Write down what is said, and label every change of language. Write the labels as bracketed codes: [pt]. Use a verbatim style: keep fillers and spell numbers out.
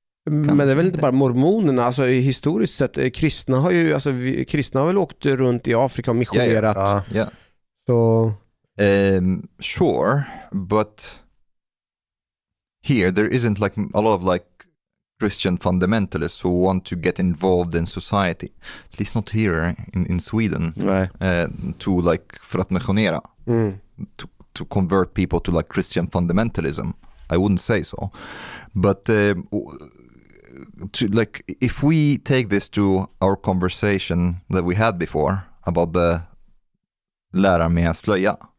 [sv] Men det är väl inte bara mormonerna, alltså historiskt sett kristna har ju alltså vi, kristna har väl åkt runt i Afrika och missionerat. [en] Yeah, yeah. Yeah. [sv] Så [en] um, sure, but here there isn't like a lot of like Christian fundamentalists who want to get involved in society. At least not here in in Sweden. Right. Uh, to like [sv] för att missionera. Mm. [en] To to convert people to like Christian fundamentalism. I wouldn't say so. But uh, to, like if we take this to our conversation that we had before about the [sv] lärare med slöja.